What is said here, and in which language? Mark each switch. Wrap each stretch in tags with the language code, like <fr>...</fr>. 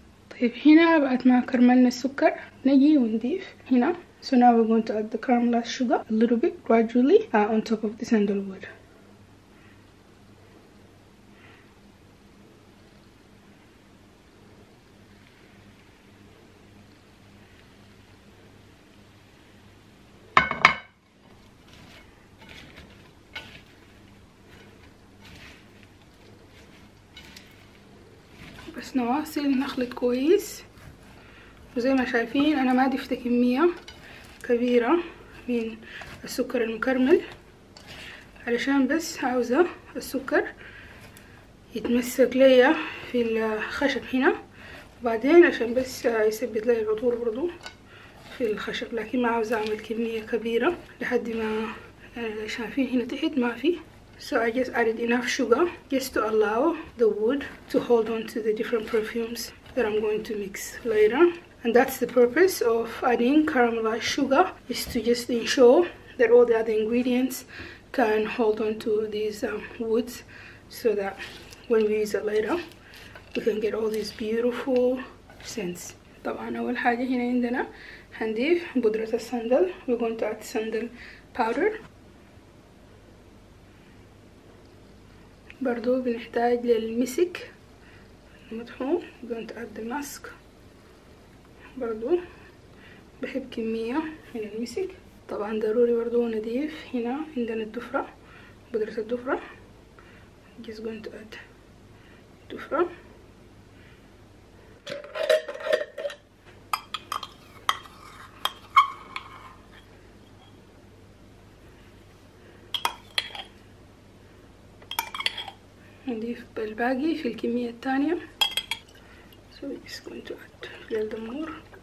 <ar>طيب هنا بعد ما كرملنا السكر نجي ونضيف هنا.</ar> <en>So now we're going to add the caramelized sugar a little bit gradually on top of the sandalwood.</en> <ar>بس نواصل نخلط كويس، وزي ما شايفين انا ما ضفت كمية كبيرة من السكر المكرمل علشان بس عاوزة السكر يتمسك ليا في الخشب هنا، وبعدين عشان بس يثبت لي العطور برضو في الخشب، لكن ما عاوزة أعمل كمية كبيرة لحد ما شايفين هنا تحت ما في.</ar> <en>So I just added enough sugar just to allow the wood to hold on to the different perfumes that I'm going to mix later. And that's the purpose of adding caramelized sugar, is to just ensure that all the other ingredients can hold on to these woods, so that when we use it later, we can get all these beautiful scents.</en> <ar>طبعا أول حاجة هنا عندنا هنضيف بودرة الصندل.</ar> <en>We're going to add sandal powder.</en> <ar>برضو بنحتاج للمسك المطحون.</ar> <en>We're going to add the mask.</en> <ar>برضو بحب كمية من المسك. طبعا ضروري برضو نضيف هنا عندنا الدفرة، بودرة الدفرة.</ar> <en>Just going to add الدفرة.</en> <ar>نضيف الباقي في الكمية الثانية.</ar> <en>So we're just going to add a little more.</en>